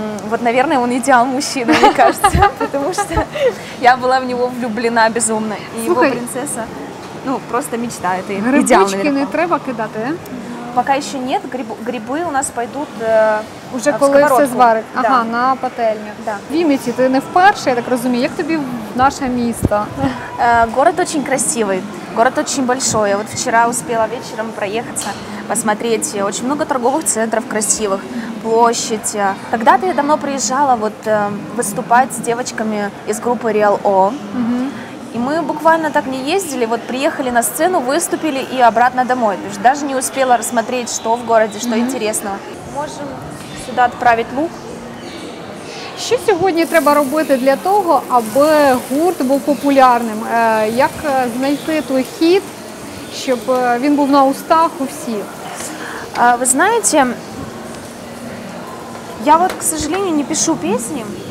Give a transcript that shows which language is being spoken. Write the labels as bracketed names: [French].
[Russian] Вот, наверное, он идеал мужчины, мне кажется, потому что я была в него влюблена безумно. И его принцесса, ну, просто мечта, это идеал. [Ukrainian] Грибочки не треба кидати, а? [Russian] Пока еще нет, грибы у нас пойдут [Ukrainian] уже коли все зварить. Ага, на пательню. Вімиці, ти не вперше, я так розумію, як тобі наше місто? [Russian] Город очень красивый. Город очень большой. Я вот вчера успела вечером проехаться, посмотреть. Очень много торговых центров красивых, площадь. Когда-то я давно приезжала вот выступать с девочками из группы Real O. Mm-hmm. И мы буквально так не ездили, вот приехали на сцену, выступили и обратно домой. То есть даже не успела рассмотреть, что в городе, что mm-hmm. интересного. Можем сюда отправить лук. [Ukrainian] Що сьогодні треба робити для того, аби гурт був популярним? Як знайти той хіт, щоб він був на устах у всіх? Ви знаєте, я от, [Russian] к сожалению, [Ukrainian] не пишу пісні.